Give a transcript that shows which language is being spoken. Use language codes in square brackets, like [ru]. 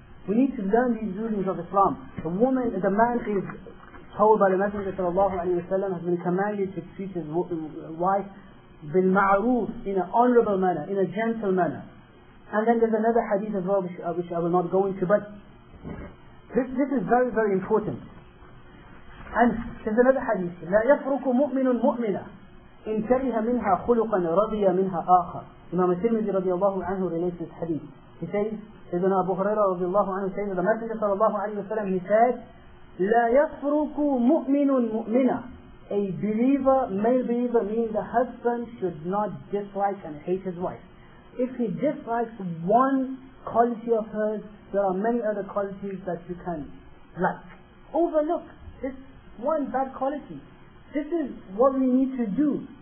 [en] We need to learn these rulings of Islam. The woman, the man is told by the Messenger sallallahu alayhi wa sallam, has been commanded to treat his wife bil ma'roof, in an honorable manner, in a gentle manner. And then there's another hadith as well, which I will not go into, but this is very, very important. And there's another hadith. [ar] لا يفرق مؤمن مؤمنة إن كره منها خلقا رضي منها آخر. [en] Imam al-Tirmidhi radiallahu anhu relates this hadith. He says, [ar] إذن أبو هريرة رضي الله عنه سيدنا [en] the Messenger [ar] صلى الله عليه وسلم, [en] he said, [ar] لا يفرق مؤمن مؤمنة. [en] A believer, male believer, means a husband should not dislike and hate his wife. If he dislikes one quality of hers, there are many other qualities that you can like. Overlook this one bad quality. This is what we need to do.